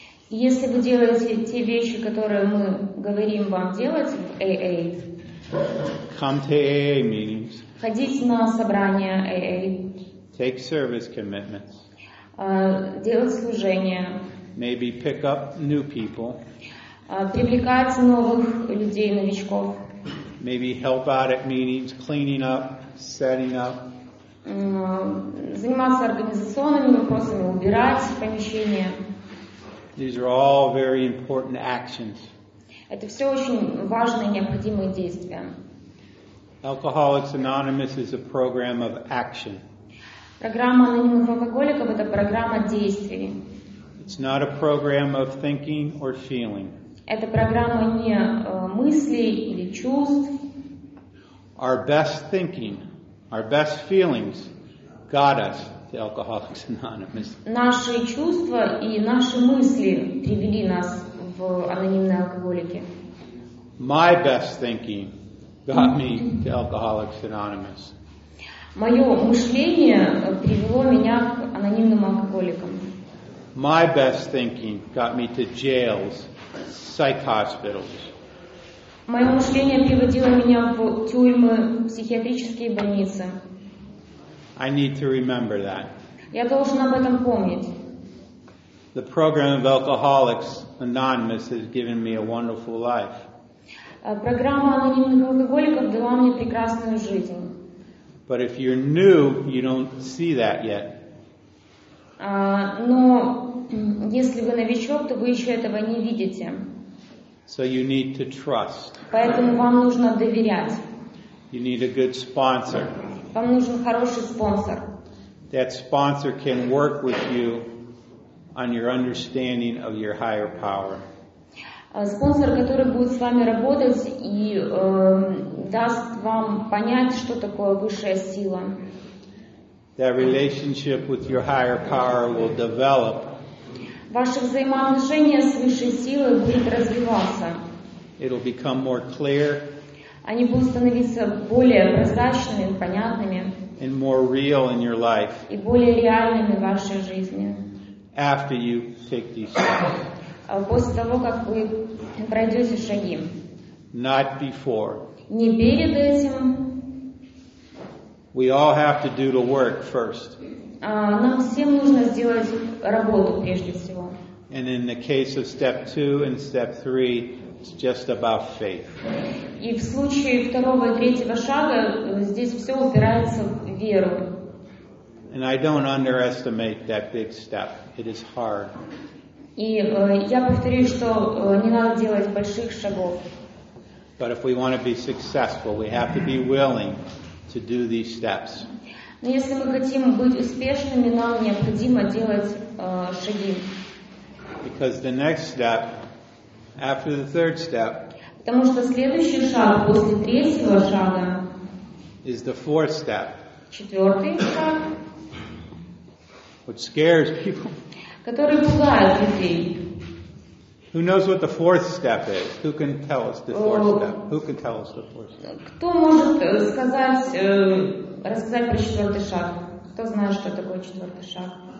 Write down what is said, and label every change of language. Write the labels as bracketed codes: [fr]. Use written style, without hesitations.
[ru] Если вы делаете те вещи, которые мы говорим вам делать в AA, [en] come to AA meetings, [ru] ходите на собрания AA, [en] take service commitments, [ru] делать служение, [en] maybe pick up new people, [ru] привлекать новых людей, новичков. [en] Maybe help out at meetings, cleaning up, setting up. [ru] Заниматься организационными вопросами, убирать помещение. [en] These are all very important actions. [ru] Это все очень важные, необходимые действия. [en] Alcoholics Anonymous is a program of action. [ru] Программа анонимных алкоголиков — это программа действий. [en] It's not a program of thinking or feeling. [ru] Это программа не мыслей или чувств. [en] Our best thinking, our best feelings got us to Alcoholics Anonymous. [ru] Наши чувства и наши мысли привели нас в анонимные алкоголики. [en] My best thinking got me to Alcoholics Anonymous. [ru] Мое мышление привело меня к анонимным алкоголикам. [en] My best thinking got me to jails, psych hospitals. [ru] Мое мышление приводило меня в тюрьмы, психиатрические больницы. [en] I need to remember that. [ru] Я должен об этом помнить. [en] The program of Alcoholics Anonymous has given me a wonderful life. [ru] Программа анонимных алкоголиков дала мне прекрасную жизнь. [en] But if you're new, you don't see that yet. [ru] Но если вы новичок, то вы еще этого не видите. [en] So you need to trust. [ru] Поэтому вам нужно доверять. [en] You need a good sponsor. [ru] Вам нужен хороший спонсор. [en] That sponsor can work with you on your understanding of your higher power. [ru] спонсор, который будет с вами работать и даст вам понять, что такое высшая сила. [en] That relationship with your higher power will develop. [ru] Ваши взаимоотношения с высшей силой будут развиваться. [en] It'll become more clear. [ru] Они будут становиться более прозрачными, понятными. [en] And more real in your life. [ru] И более реальными в вашей жизни. [en] After you take these steps. [ru] После того, как вы пройдете шаги. [en] Not before. [ru] Не перед этим. [en] We all have to do the work first. [ru] Нам всем нужно сделать работу прежде всего. [en] And in the case of step two and step three, it's just about faith. [ru] И в случае второго и третьего шага здесь все упирается в веру. [en] And I don't underestimate that big step. It is hard. [ru] И я повторю, что не надо делать больших шагов. [en] But if we want to be successful, we have to be willing to do these steps. [ru] Но если мы хотим быть успешными, нам необходимо делать шаги. [en] Because the next step, after the third step, [ru] потому что следующий шаг после третьего шага [en] is the fourth step. [ru] Четвертый шаг. [en] Which scares people. [ru] Который пугает людей. [en] Who knows what the fourth step is? Who can tell us the fourth step? Who can tell us the fourth step? [ru] Кто может рассказать про четвертый шаг? Кто знает, что такое четвертый шаг?